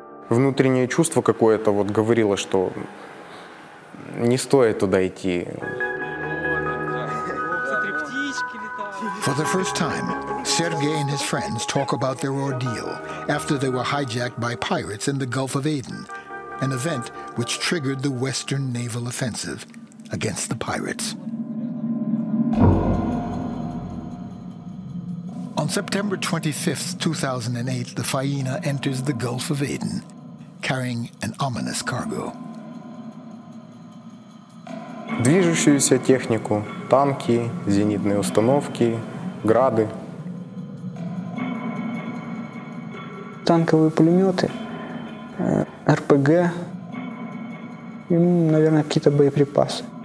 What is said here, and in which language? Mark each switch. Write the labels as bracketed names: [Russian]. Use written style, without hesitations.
[Russian] Внутреннее чувство какое-то вот говорило, что не стоит туда идти. [English] For the first time, Sergei and his friends talk about their ordeal after they were hijacked by pirates in the Gulf of Aden, an event which triggered the Western naval offensive against the pirates. On September 25th, 2008, the Faina enters the Gulf of Aden, carrying an ominous cargo. [Russian] Движущуюся технику, танки, зенитные установки, грады. Танковые пулеметы, РПГ и, наверное, какие-то боеприпасы.